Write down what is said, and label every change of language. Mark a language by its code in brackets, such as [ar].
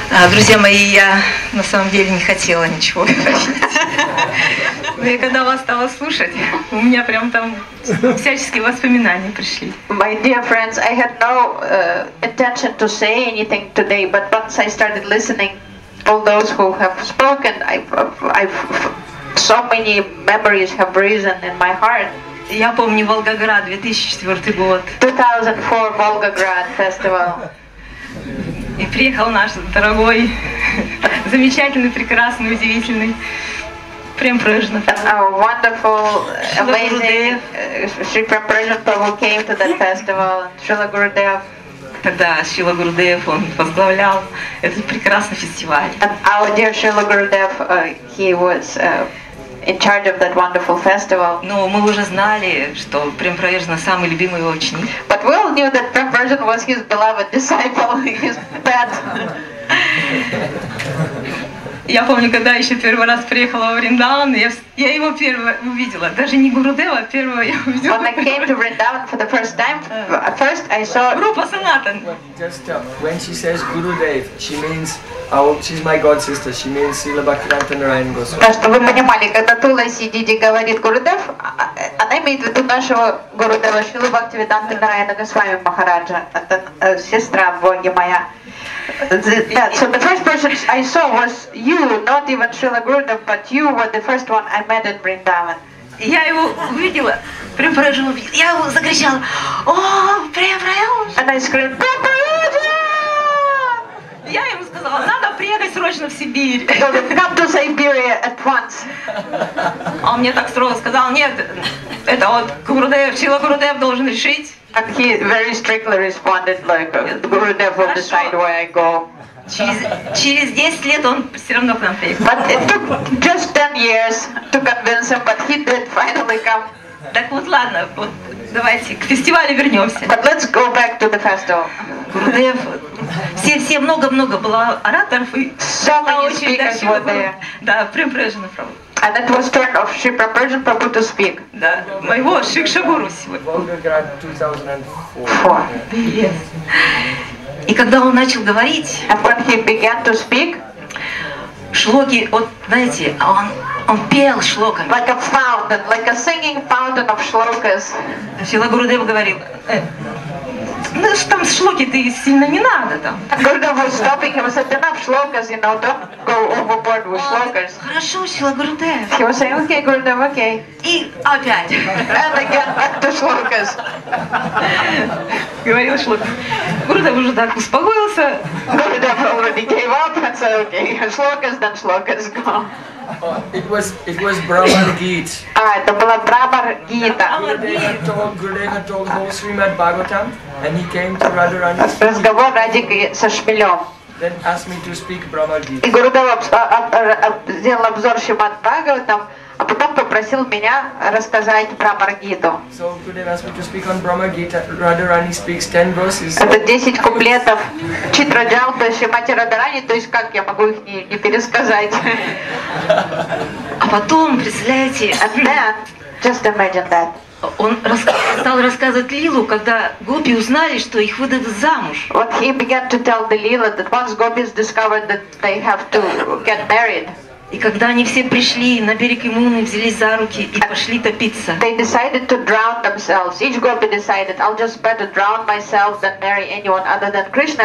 [ru] Друзья мои, я на самом деле не хотела ничего говорить. Но я когда вас стала слушать, у меня прям там всяческие воспоминания пришли. [en] My dear friends, I had no intention to say anything today, but once I started listening, all those who have spoken, I've so many memories have risen in my heart. [ru] Я помню Волгоград, 2004 год. 2004 Волгоград фестивал. И приехал наш дорогой, замечательный, прекрасный, удивительный Прем-Прежна. [en] Our wonderful, amazing Shri Prem-Prejna Prabhu came to that festival. Shrila Gurudev. [ru] Тогда Шрила Гурудев, он возглавлял этот прекрасный фестиваль. [en] And our dear Shrila Gurudev, he was in charge of that wonderful festival. [ru] Но мы уже знали, что Прем-Прежна самый любимый ученик. [en] But we all knew that Prem-Prejna was his beloved disciple, his pet. [ru] Я помню, когда еще первый раз приехала во Вриндаван, я его первый увидела. Даже не Гурудева, а первого я увидела. [en] When I came to Vrindavan for the first time, first I saw... [ru] Группа Санатан. [en] Just when she says Gurudev, she means... she's my god sister, she means Srila Bhaktivedanta Narayana Goswami. [ru] Да, чтобы вы понимали, когда Туласи Диди говорит Гурудев, она имеет в виду нашего Гурудева, Шрилу Бхактивиданта Нараяна Госвами Махараджа. Это сестра Боги моя. [en] So the first person I saw was you, not even Srila Gurudev, but you were the first one I met in Vrindavan. [ru] Я его увидела, прям поражила, я его закричала, о, прям поражила. [en] And I screamed, [ru] прям поражила! Я ему сказала, надо приехать срочно в Сибирь. [en] Come to Siberia at once. [ru] Он мне так строго сказал, нет, это вот Гурудев, Шрила Гурудев должен решить. [en] And he very strictly responded, like, Gurudev will decide where I go. [ru] Через 10 лет он все равно к нам приехал. [en] But it took just 10 years to convince him, but he did finally come. [ru] Так вот, ладно, вот давайте к фестивалю вернемся. [en] But let's go back to the festival. [ru] Гурудев, все много-много было ораторов. [en] So many speakers were there. [ru] Да, Прем-Прежна Прабху. [en] And that was turn of Shri Prem-Prejna Prabhu to speak. [ru] Да, моего Шикшагуру сегодня. Волгоград 2004. И когда он начал говорить, [en] and when he began to speak, [ru] шлоки, вот знаете, он пел шлоками. [en] Like a fountain, like a singing fountain of shlokas. [ru] Шрила Гурудева говорил, ну что там шлоки, ты сильно не надо там. [en] Гурудев was stopping him, said, enough shlokas, you know, don't go overboard with shlokas. [ru] Хорошо, Шрила Гурудев. [en] He was saying, okay, Гурудев, okay. [ru] И опять. [en] And again, back to shlokas. [ru] Говорил шлоки. Гурудев уже так успокоился. [en] Гурудев already gave up and said, okay, shlokas, then shlokas, go. It was Brahmar Gita. [ru] Это была Брахмар Гита. [en] Гурудев told the whole Srimad Bhagavatam, and he came to Radharani. [ru] Разговор Радики со Шмелем. [en] Then asked me to speak Brahmar Gita. [ru] И Гурудев сделал обзор Шримад Бхагаватам, а потом попросил меня рассказать Брахмар Гиту. [en] So Gurudev asked me to speak on Brahmar Gita. Радхарани speaks 10 verses. [ru] Это 10 куплетов Читраджалпы Шримати Радхарани, то есть как я могу их не пересказать? А потом, представляете, [en] just imagine that. [ru] Он стал рассказывать Лилу, когда гопи узнали, что их выдадут замуж. [en] What he began to tell the Lila that once gopis discovered that they have to get married. [ru] И когда они все пришли на берег Имуны, взялись за руки и пошли топиться. [en] They decided to drown themselves. Each gopi decided, I'll just better drown myself than marry anyone other than Krishna.